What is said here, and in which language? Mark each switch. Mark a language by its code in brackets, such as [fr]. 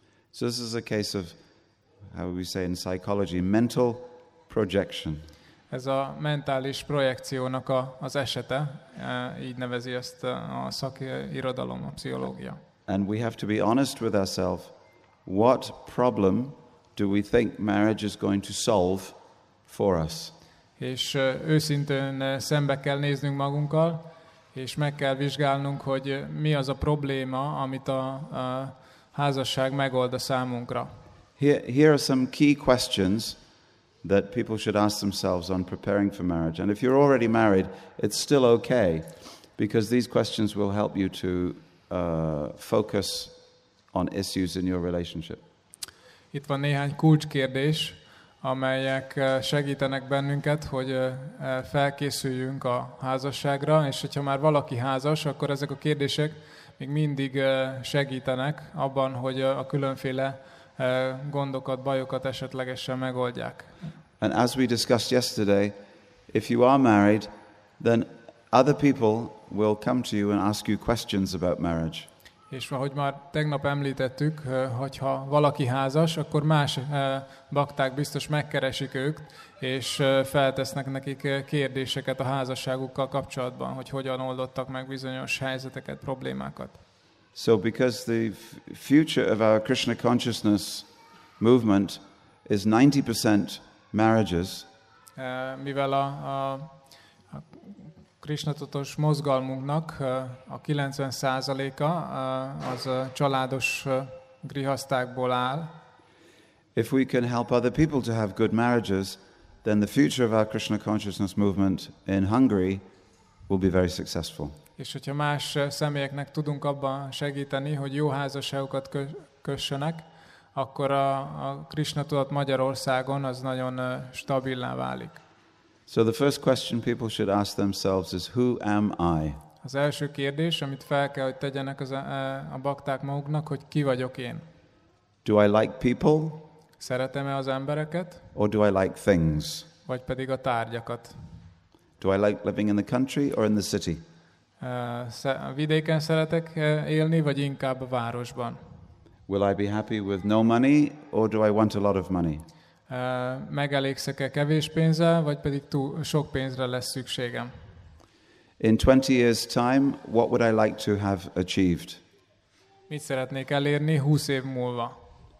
[en] So this is a case of, how we say in psychology, mental projection. [hu] Ez a mentális projekciónak az esete, így nevezi ezt a szakirodalom, a pszichológia. [en] And we have to be honest with ourselves, what problem do we think marriage is going to solve for us? [hu] És őszintén szembe kell néznünk magunkkal, és meg kell vizsgálnunk, hogy mi az a probléma, amit a házasság megold a számunkra. [en] Here are some key questions that people should ask themselves on preparing for marriage. And if you're already married, it's still okay, because these questions will help you to focus on issues in your relationship. [hu] Itt van néhány kulcskérdés, amelyek segítenek bennünket, hogy felkészüljünk a házasságra, és hogyha már valaki házas, akkor ezek a kérdések még mindig segítenek abban, hogy a különféle gondokat, bajokat esetlegesen megoldják. [en] And as we discussed yesterday, if you are married, then other people will come to you and ask you questions about marriage. [hu] És ahogy már tegnap említettük, hogyha valaki házas, akkor más bakták biztos megkeresik őt, és feltesznek nekik kérdéseket a házasságukkal kapcsolatban, hogy hogyan oldottak meg bizonyos helyzeteket, problémákat. [en] So because the future of our Krishna consciousness movement is 90% marriages. [hu] Mivel a Krishna tudatos mozgalmunknak a 90%-a az családos grihasztákból áll. [en] If we can help other people to have good marriages, then the future of our Krishna consciousness movement in Hungary will be very successful. [hu] És hogyha más személyeknek tudunk abban segíteni, hogy jó házasságokat kössenek, akkor a Krishna tudat Magyarországon az nagyon stabillá válik. [en] So the first question people should ask themselves is, who am I? [hu] Az első kérdés, amit fel kell, hogy tegyenek a bakták maguknak, hogy ki vagyok én? [en] Do I like people? [hu] Szeretem-e az embereket? [en] Or do I like things? [hu] Vagy pedig a tárgyakat? [en] Do I like living in the country or in the city? [hu] Vidéken szeretek élni, vagy inkább a városban? [en] Will I be happy with no money, or do I want a lot of money? [hu] Megelégszek-e kevés pénzzel, vagy pedig túl sok pénzre lesz szükségem? [en] In 20 years' time, what would I like to have achieved? [hu] Mit szeretnék elérni 20 év múlva?